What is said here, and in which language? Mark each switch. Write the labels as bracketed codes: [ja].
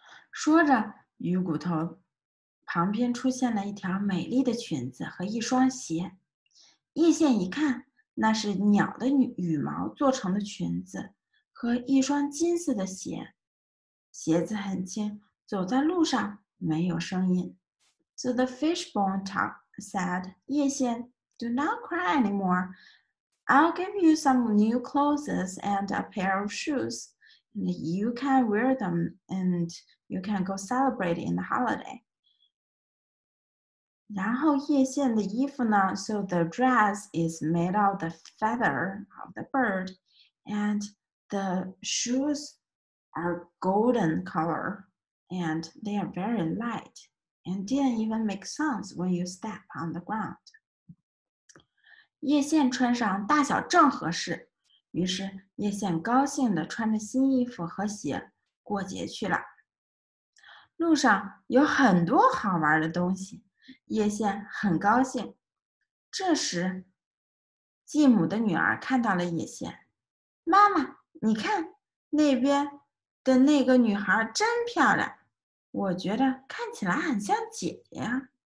[zh] 说着，鱼骨头旁边出现了一条美丽的裙子和一双鞋。叶仙一看，那是鸟的羽毛做成的裙子和一双金色的鞋，鞋子很轻，走在路上没有声音。 [en] So the fishbone said, "Ye Xian, do not cry anymore. I'll give you some new clothes and a pair of shoes. And you can wear them and you can go celebrate in the holiday." [zh] 然后叶仙的衣服呢, [en] so the dress is made of the feather of the bird, and the shoes are golden color, and they are very light, and didn't even make sounds when you step on the ground. [zh] 叶线穿上大小正合适，于是叶线高兴地穿着新衣服和鞋过节去了。路上有很多好玩的东西，叶线很高兴。这时，继母的女儿看到了叶线，妈妈，你看那边的那个女孩真漂亮，我觉得看起来很像姐姐呀。